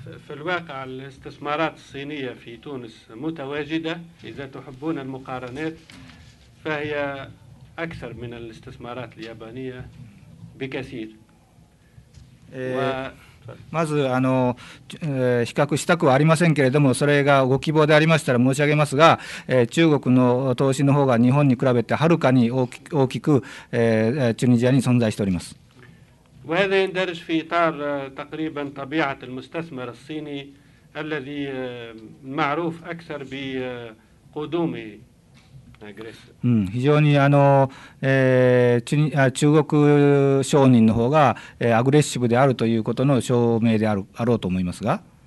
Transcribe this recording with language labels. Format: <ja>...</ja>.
<ar>الواقع الاستثمارات الصينية في تونس متواجدة إذا تحبون المقارنات فهي أكثر من الاستثمارات اليابانية بكثير.</ar> <ja>まず比較したくはありませんけれども、それがご希望でありましたら申し上げますが、中国の投資の方が日本に比べてはるかに大きく、チュニジアに存在しております。</ja> <ar>وهذا يندرج في إطار تقريبا طبيعة المستثمر الصيني الذي معروف أكثر بقدومه。</ar> <ja>非常に中国商人の方がアグレッシブであるということの証明であるあろうと思いますが。</ja>